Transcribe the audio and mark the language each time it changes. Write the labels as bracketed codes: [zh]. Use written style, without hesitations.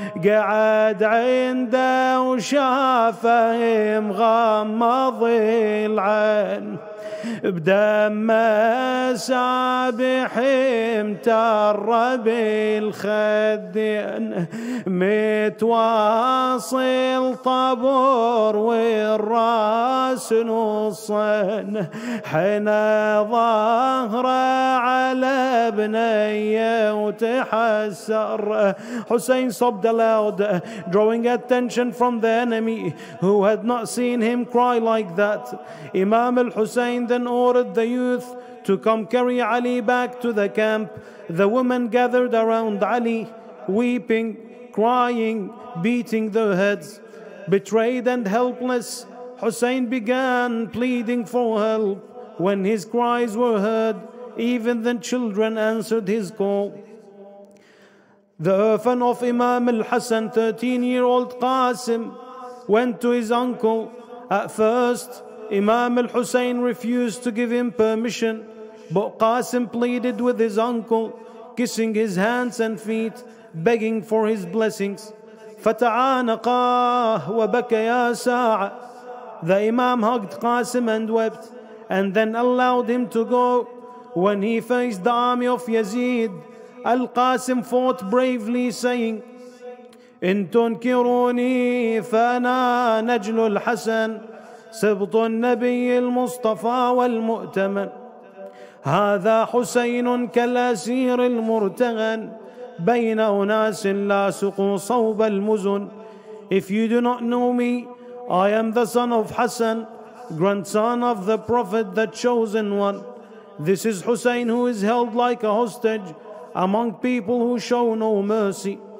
[ar] قعد عنده وشافهم غمض العين بدم سابحهم ترب الخدين متواصل طبور والراس نصين حين ظهر على ابني وتحسر. [en] حسين sobbed aloud, drawing attention from the enemy who had not seen him cry like that. Imam al-Husayn then ordered the youth to come carry Ali back to the camp. The women gathered around Ali, weeping, crying, beating their heads. Betrayed and helpless, Hussein began pleading for help. When his cries were heard, even the children answered his call. The orphan of Imam al-Hassan, 13-year-old Qasim, went to his uncle. At first, Imam al-Husayn refused to give him permission, but Qasim pleaded with his uncle, kissing his hands and feet, begging for his blessings. [ar] فَتَعَانَقَاهُ وَبَكَيَا سَاعَ. [en] The Imam hugged Qasim and wept, and then allowed him to go. When he faced the army of Yazid, al-Qasim fought bravely, saying, [ar] إِن تُنْكِرُونِي فَأَنَا نَجْلُ الْحَسَنِ سبط النبي المصطفى والمؤتمن هذا حسين كالأسير المرتغن بين أناس لا سقوا صوب المزن. [en] If you do not know me, I am the son of Hassan, grandson of the Prophet, the chosen one. This is Hussein, who is held like a hostage among people who show no mercy.